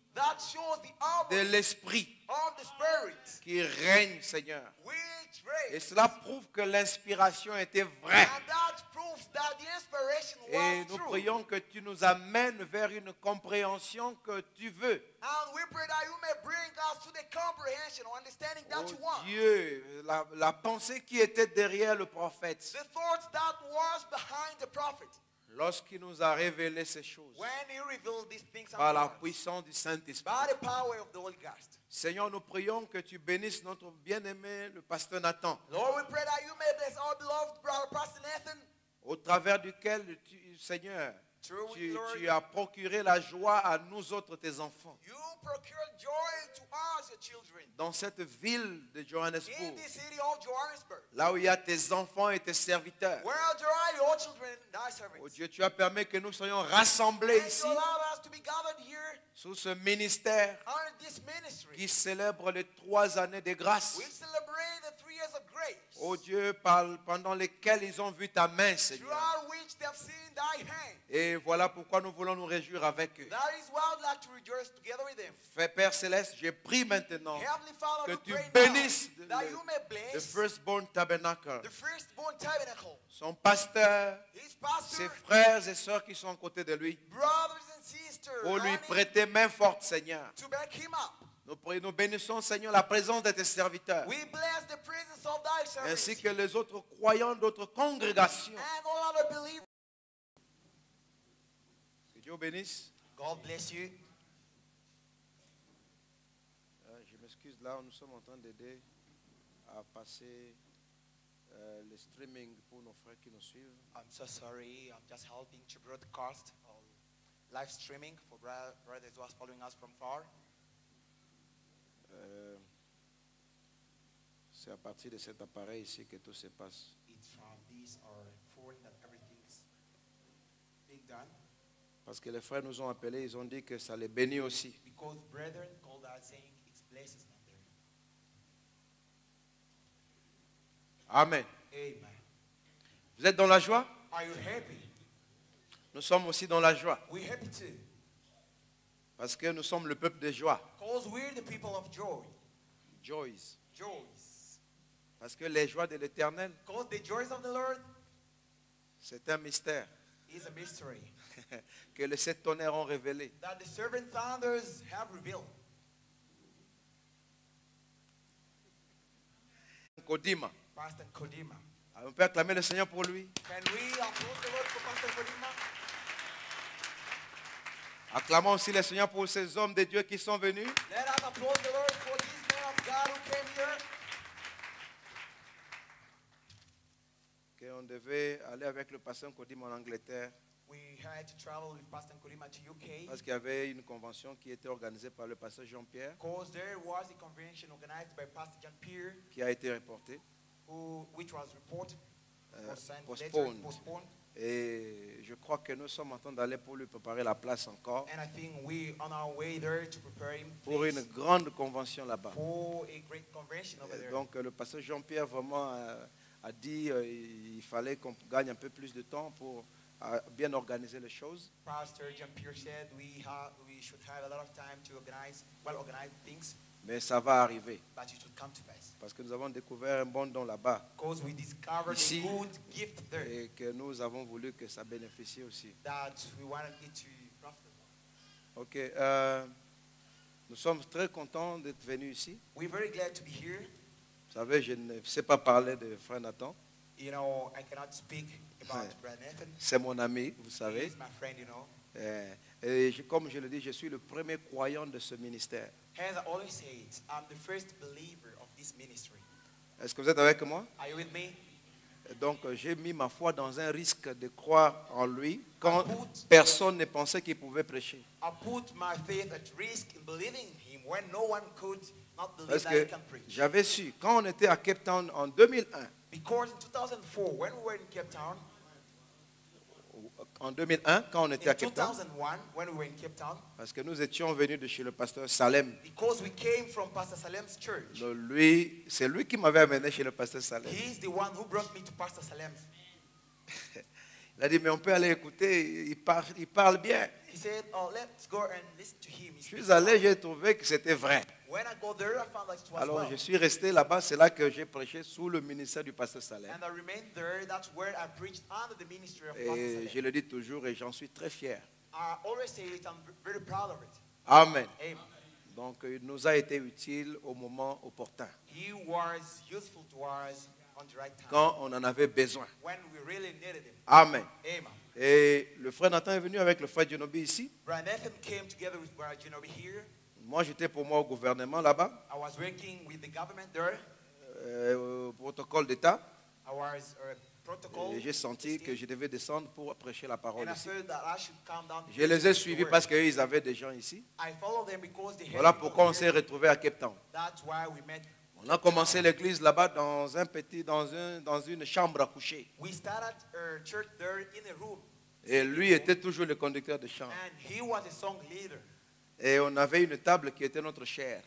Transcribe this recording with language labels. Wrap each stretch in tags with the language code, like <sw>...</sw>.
<en>that shows the harmony</en> <fr>de l'esprit</fr> <en>of the spirit</en> <fr>qui règne, Seigneur.</fr> <en>Which reigns.</en> <fr>Et cela prouve que l'inspiration était vraie.</fr> <en>And that proves that the inspiration was</en> <fr>et nous</fr> <en>true.</en> <fr>Prions que tu nous amènes vers une compréhension que tu veux.</fr> <en>And we pray that you may bring us to the comprehension or understanding that oh you want.</en> <fr>Dieu, la pensée qui était derrière le prophète.</fr> <en>The thought that was behind the prophet.</en> <fr>Lorsqu'il nous a révélé ces choses,</fr> <en>when he revealed these things</en> <fr>par la puissance du Saint-Esprit,</fr> <en>by the power of the Holy Ghost.</en> <fr>Seigneur, nous prions que tu bénisses notre bien-aimé, le pasteur Nathan.</fr> <en>Lord, we pray that you may bless our beloved brother, Pastor Nathan.</en> <fr>Au travers duquel, Seigneur, tu as procuré la joie à nous autres, tes enfants.</fr> <en>You procured joy to us, your children.</en> <fr>Dans cette ville de Johannesburg.</fr> <en>In the city of Johannesburg.</en> <fr>Là où il y a tes enfants et tes serviteurs.</fr> <en>Where there are your children, thy servants.</en> <fr>Oh Dieu, tu as permis que nous soyons rassemblés</fr> <en>and</en> <fr>ici.</fr> <en>You allow us to be gathered here.</en> <fr>Sous ce ministère.</fr> <en>Under this ministry.</en> <fr>Qui célèbre les trois années de grâce.</fr> <en>We celebrate the 3 years of grace.</en> <fr>Oh Dieu, parle pendant lesquels ils ont vu ta main, Seigneur.</fr> <en>Throughout which they have seen thy hand.</en> <fr>Et voilà pourquoi nous voulons nous réjouir avec eux.</fr> <en>That is why I would like to rejoice together with them.</en> <fr>Fais Père Céleste, je prie maintenant</fr> <en>Heavenly Father,</en> <fr>que tu bénisses</fr> <en>now, that you may bless the firstborn tabernacle. The firstborn tabernacle.</en> <fr>Son pasteur,</fr> <en>his pastor,</en> <fr>ses frères et sœurs qui sont à côté de lui.</fr> <en>Brothers and sisters,</en> <fr>pour lui prêter main forte, Seigneur.</fr> <en>To back him up.</en> <fr>Nous bénissons, Seigneur, la présence de tes serviteurs.</fr> <en>We bless the presence of thy servants.</en> <fr>Ainsi que les autres croyants d'autres congrégations.</fr> <en>And all other believers.</en> <fr>Dieu bénisse.</fr> <en>God bless you.</en> <fr>Je m'excuse là, nous sommes en train d'aider à passer le streaming pour nos frères qui nous suivent.</fr> <en>I'm so sorry, I'm just helping to broadcast live streaming for brothers who are following us from far.</en> <fr>C'est à partir de cet appareil ici que tout se passe.</fr> <en>It's from this or phone that everything's being done.</en> <fr>Parce que les frères nous ont appelés, ils ont dit que ça les bénit aussi.</fr> <en>Because brethren called us saying its place is not there.</en> <fr>Amen.</fr> <en>Amen.</en> <fr>Vous êtes dans la joie?</fr> <en>Are you happy?</en> <fr>Nous sommes aussi dans la joie.</fr> <en>We're happy too.</en> <fr>Parce que nous sommes le peuple de joie.</fr> <en>Because we're the people of joy. Joys. Joys.</en> <fr>Parce que les joies de l'Éternel.</fr> <en>Because the joys of the Lord.</en> <fr>C'est un mystère.</fr> <en>is a mystery.</en> <fr>Que les sept tonnerres ont révélé.</fr> <en>That the seven thunders have revealed.</en> <fr>Kodima.</fr> <en>Pastor Kodima.</en> <fr>On peut acclamer le Seigneur pour lui.</fr> <en>Can we applaud the Lord for Pastor Kodima?</en> <fr>Acclamons aussi le Seigneur pour ces hommes de Dieu qui sont venus.</fr> <en>Let us applaud the Lord for these men of God who came here.</en> <fr>Que on devait aller avec le Pasteur Kodima en Angleterre.</fr> <en>We had to travel with Pastor Kodima to UK.</en> <fr>Parce qu'il y avait une convention qui était organisée par le Pasteur Jean-Pierre.</fr> <en>Because there was a convention organized by Pastor Jean-Pierre.</en> <fr>Qui a été reportée.</fr> <en>Which was reported, postponed.</en> <fr>Et je crois que nous sommes en train d'aller pour lui préparer la place encore.</fr> <en>And I think we are on our way there to prepare him</en> <fr>pour une grande convention là-bas.</fr> <en>For a great convention over there.</en> <fr>Donc le pasteur Jean-Pierre vraiment a dit il fallait qu'on gagne un peu plus de temps pour bien organiser les choses.</fr> <en>Pastor Jean-Pierre said we should have a lot of time to organize well organized things.</en> <fr>Mais ça va arriver.</fr> <en>But it will come to pass.</en> <fr>Parce que nous avons découvert un bon don là-bas.</fr> <en>Because we discovered</en> <fr>ici,</fr> <en>a good gift there.</en> <fr>Et que nous avons voulu que ça bénéficie aussi.</fr> <en>That we wanted it to profit.</en> <fr>Ok. Nous sommes très contents d'être venus ici.</fr> <en>We're very glad to be here.</en> <fr>Vous savez, je ne sais pas parler de Frère Nathan.</fr> <en>You know, I cannot speak about Brother Nathan.</en> <fr>C'est mon ami, vous savez.</fr> <en>He is my friend, you know.</en> <fr>Et comme je le dis, je suis le premier croyant de ce ministère.</fr> <en>As I always say, I'm the first believer of this ministry.</en> <fr>Est-ce que vous êtes avec moi?</fr> <en>Are you with me?</en> <fr>Donc, j'ai mis ma foi dans un risque de croire en lui quand personne ne pensait qu'il pouvait prêcher.</fr> <en>I put my faith at risk in believing him when no one could not believe</en> <fr>parce</fr> <en>that he can preach.</en> <fr>J'avais su quand on était à Cape Town en 2001.</fr> <en>Because in 2004, when we were in Cape Town.</en> <fr>En 2001, quand on était</fr> <en>in</en> <fr>à Cape Town,</fr> <en>2001, when we were in Cape Town,</en> <fr>parce que nous étions venus de chez le pasteur Salem.</fr> <en>Because we came from Pastor Salem's church.</en> <fr>Lui, c'est lui qui m'avait amené chez le pasteur Salem.</fr> <en>He is the one who brought me to Pastor Salem.</en> <fr>Il a dit, mais on peut aller écouter, il parle bien.</fr> <en>He said, oh, let's go and listen to him.</en> <fr>Je suis allé, j'ai trouvé que c'était vrai.</fr> <en>When I go there, I found that it was</en> <fr>alors,</fr> <en>well.</en> <fr>Je suis resté là-bas, c'est là que j'ai prêché sous le ministère du pasteur Salem.</fr> <en>And I remained there, that's where I preached under the ministry of</en> <fr>et</fr> <en>Pastor Salem.</en> <fr>Je le dis toujours et j'en suis très fier.</fr> <en>I always say it, I'm very proud of it.</en> <fr>Amen.</fr> <en>Amen.</en> <fr>Donc, il nous a été utile au moment opportun.</fr> <en>He was useful to us.</en> <fr>Quand on en avait besoin.</fr> <en>When we really needed him.</en> <fr>Amen.</fr> <en>Amen.</en> <fr>Et le frère Nathan est venu avec le frère Jinobi ici.</fr> <en>Brother Nathan came together with Brother Jinobi here.</en> <fr>Moi, j'étais pour moi au gouvernement là-bas.</fr> <en>I was working with the government there.</en> <fr>Protocole d'État.</fr> <en>I was a protocol.</en> <fr>Et j'ai senti que je devais descendre pour prêcher la parole</fr> <en>and</en> <fr>ici.</fr> <en>I felt that I should come down.</en> <fr>Je les ai suivis parce qu'ils avaient des gens ici.</fr> <en>I followed them because they had.</en> <fr>Voilà pourquoi on s'est retrouvés à Cape Town.</fr> <en>That's why we met.</en> <fr>On a commencé l'église là-bas dans un petit dans une chambre à coucher.</fr> <en>We started our church there in a room.</en> <fr>Et lui était toujours le conducteur de chant.</fr> <en>And he was a song leader.</en> <fr>Et on avait une table qui était notre chair.</fr>